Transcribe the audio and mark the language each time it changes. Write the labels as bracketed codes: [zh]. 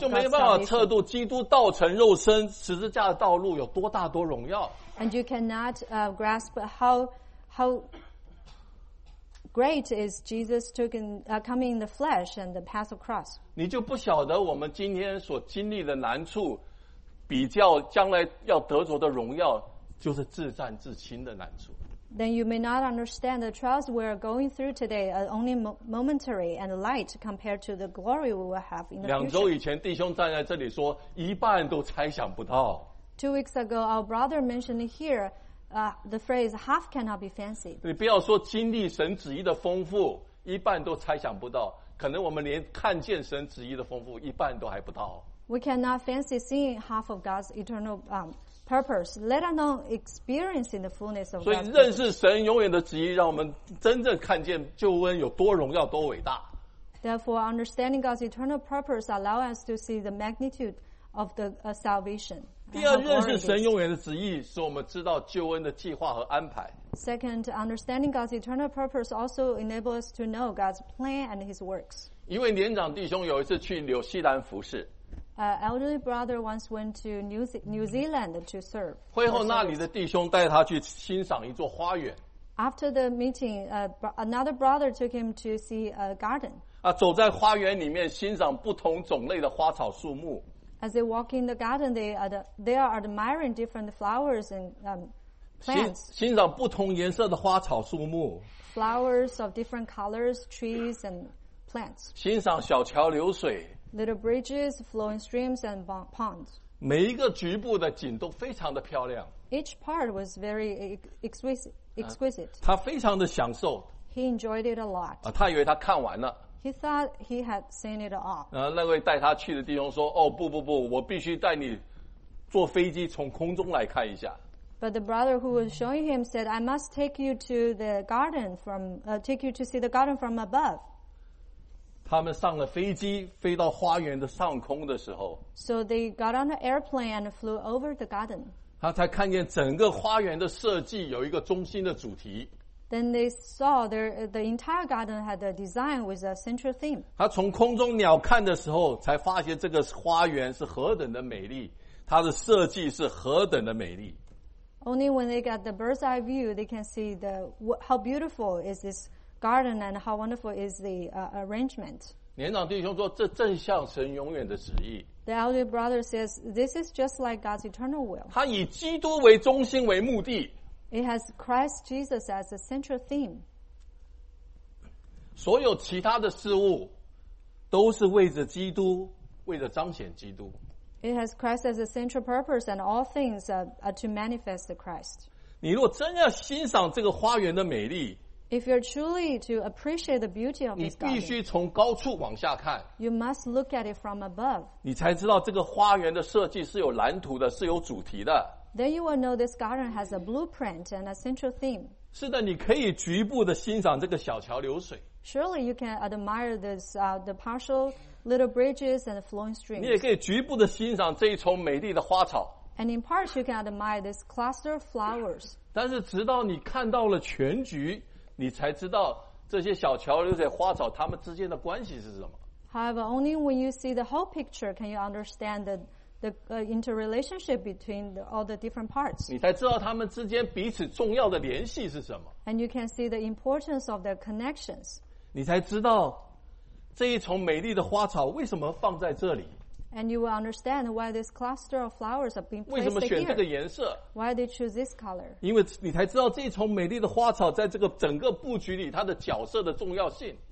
[zh] 你就没办法测度基督道成肉身十字架的道路有多大多荣耀。 [en] And you cannot grasp how great is Jesus coming in the flesh and the path of cross. [zh] 你就不晓得我们今天所经历的难处，比较将来要得着的荣耀，就是自战自清的难处。 [en] Then you may not understand the trials we are going through today are only momentary and light compared to the glory we will have in the future. [zh] 两周以前弟兄站在这里说一半都猜想不到。 [en] 2 weeks ago, our brother mentioned here the phrase half cannot be fancied. [zh] 你不要说经历神旨意的丰富一半都猜想不到，可能我们连看见神旨意的丰富一半都还不到。 [en] We cannot fancy seeing half of God's eternal purpose, let alone experiencing the fullness of God. [zh] 所以认识神永远的旨意，让我们真正看见救恩有多荣耀、多伟大。 [en] Therefore, understanding God's eternal purpose allow us to see the magnitude of the salvation. [zh] 第二，认识神永远的旨意，使我们知道救恩的计划和安排。 [en] Second, understanding God's eternal purpose also enables us to know God's plan and His works. [zh] 一位年长弟兄有一次去纽西兰服侍。 [en] Elderly brother once went to New Zealand to serve. [zh] 会后那里的弟兄带他去欣赏一座花园。 [en] After the meeting, another brother took him to see a garden. [zh] 走在花园里面欣赏不同种类的花草树木。 [en] As they walk in the garden, they are admiring different flowers and plants. [zh] 欣赏不同颜色的花草树木。 [en] Flowers of different colors, trees and plants. [zh] 欣赏小桥流水。 [en] Little bridges, flowing streams, and ponds. [zh] 每一个局部的景都非常的漂亮。 [en] Each part was very exquisite. [zh] 他非常的享受。 [en] He enjoyed it a lot. [zh] 他以为他看完了。 [en] He thought he had seen it all. [zh] 那位带他去的弟兄说：“哦，不不不，我必须带你坐飞机从空中来看一下。” [en] But the brother who was showing him said, I must take you to the garden from, take you to see the garden from above. [zh] 他们上了飞机飞到花园的上空的时候 [en] So they got on an airplane and flew over the garden. [zh] 他才看见整个花园的设计有一个中心的主题 [en] Then they saw the entire garden had a design with a central theme. [zh] 他从空中鸟看的时候才发现这个花园是何等的美丽它的设计是何等的美丽 [en] Only when they got the bird's eye view, they can see the, how beautiful is this garden and how wonderful is the arrangement. [zh] 年长弟兄说这正像神永远的旨意 [en] The elder brother says, this is just like God's eternal will. [zh] 他以基督为中心为目的 [en] It has Christ Jesus as a central theme. [zh] 所有其他的事物都是为着基督为着彰显基督 [en] It has Christ as a central purpose and all things are to manifest Christ. [zh] 你如果真要欣赏这个花园的美丽 [en] If you're truly to appreciate the beauty of this garden, [zh] 你必须从高处往下看 [en] You must look at it from above. [zh] 你才知道这个花园的设计是有蓝图的，是有主题的。 [en] Then you will know this garden has a blueprint and a central theme. [zh] 是的，你可以局部的欣赏这个小桥流水。 [en] Surely you can admire this, the partial little bridges and flowing streams. [zh] 你也可以局部的欣赏这一丛美丽的花草。 [en] And in part, you can admire this cluster of flowers. [zh] 但是直到你看到了全局。你才知道这些小桥流水花草它们之间的关系是什么 [en] However, only when you see the whole picture can you understand the interrelationship between all the different parts. [zh] 你才知道它们之间彼此重要的联系是什么 [en] And you can see the importance of their connections. [zh] 你才知道这一丛美丽的花草为什么放在这里 [en] And you will understand why this cluster of flowers are being placed here. [zh] 为什么选这个颜色 [en] Why they choose this color? [zh] 因为你才知道这一丛美丽的花草在这个整个布局里它的角色的重要性